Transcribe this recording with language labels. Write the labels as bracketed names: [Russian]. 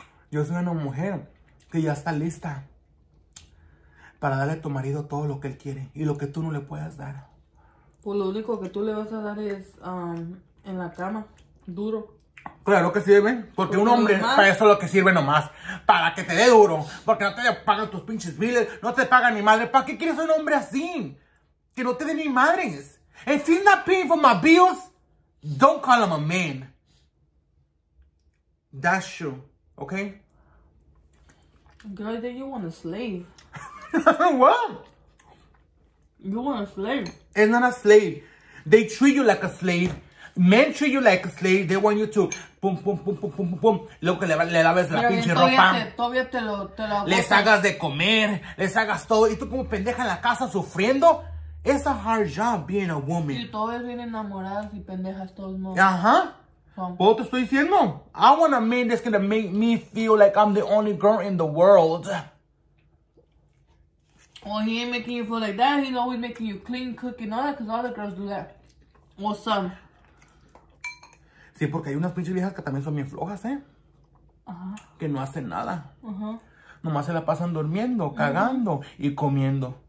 [Spanish] Yo soy una mujer que ya está lista para darle a tu marido todo lo que él quiere y lo que tú no le puedas dar. Pues lo único que tú le vas a dar es en la cama, duro. Claro que sí, ¿ven? Porque un hombre, para eso es lo que sirve nomás, para que te dé duro, porque no te pagan tus pinches biles, no te pagan ni madre. ¿Para qué quieres un hombre así? Que no te dé ni madres. [English] If he's not paying for my bills, don't call him a man. That's true, ¿ok? Girl, then you want a slave. What? You want a slave. It's not a slave. They treat you like a slave. Men treat you like a slave. They want you to pum, pum, pum, pum, pum, pum, pum. [Spanish] Luego que le laves la pinche ropa. Todavía te lo les hagas de comer. Les hagas todo. Y tú como pendeja en la casa sufriendo. [English] It's a hard job being a woman. [Spanish] Y todas vienen enamoradas y pendejas todos modos. Ajá. ¿Puedo te estoy diciendo? [English] I want a man that's gonna make me feel like I'm the only girl in the world. Well, he ain't making you feel like that. He's always making you clean, cook, and all that, because all the girls do that. Or some. [Spanish] Sí, porque hay unas pinches viejas que también son bien flojas, ¿eh? Ajá. Que no hacen nada. Ajá. Nomás se la pasan durmiendo, cagando y comiendo.